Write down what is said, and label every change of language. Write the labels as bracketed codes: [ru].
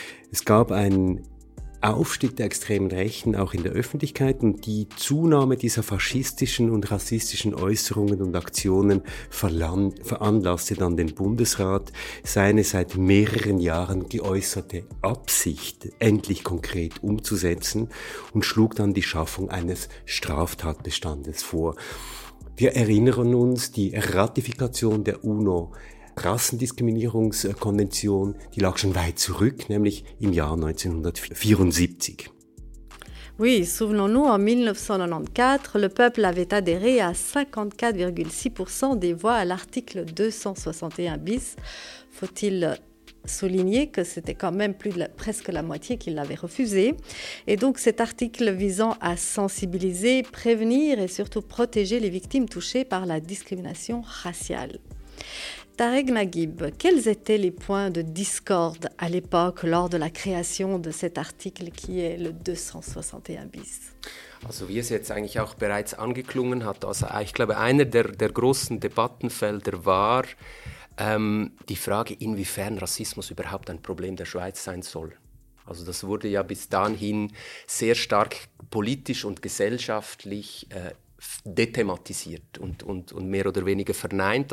[de] Es gab einen Aufstieg der extremen Rechten auch in der Öffentlichkeit und die Zunahme dieser faschistischen und rassistischen Äußerungen und Aktionen veranlasste dann den Bundesrat, seine seit mehreren Jahren geäußerte Absicht endlich konkret umzusetzen und schlug dann die Schaffung eines Straftatbestandes vor. Wir erinnern uns, die Ratifikation der UNO Rassendiskriminierungskonvention, die lag schon weit zurück, nämlich im Jahr 1974. [fr] Oui, souvenons-nous, en 1994, le peuple avait adhéré à 54,6% des voix à l'article 261 bis. Faut-il souligner que c'était quand même plus de presque la moitié qui l'avait refusé. Et donc cet article visant à sensibiliser, prévenir et surtout protéger les victimes touchées par la discrimination raciale. Tareg Naguib, quels étaient les points de discorde à l'époque lors de la création de cet article qui est le 261 bis? [de] Also wie es jetzt eigentlich auch bereits angeklungen hat, also ich glaube einer der großen Debattenfelder war die Frage, inwiefern Rassismus überhaupt ein Problem der Schweiz sein soll. Also das wurde ja bis dahin sehr stark politisch und gesellschaftlich dethematisiert und mehr oder weniger verneint.